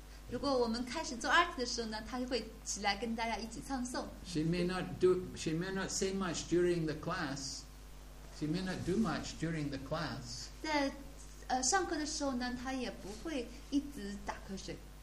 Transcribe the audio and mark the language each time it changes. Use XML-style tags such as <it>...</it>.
<zh>如果我们开始做arti的时候呢，她会起来跟大家一起唱诵。</zh> <en>She may not say much during the class. She may not do much during the class.</en> <zh>上课的时候呢，他也不会一直打瞌睡。</zh>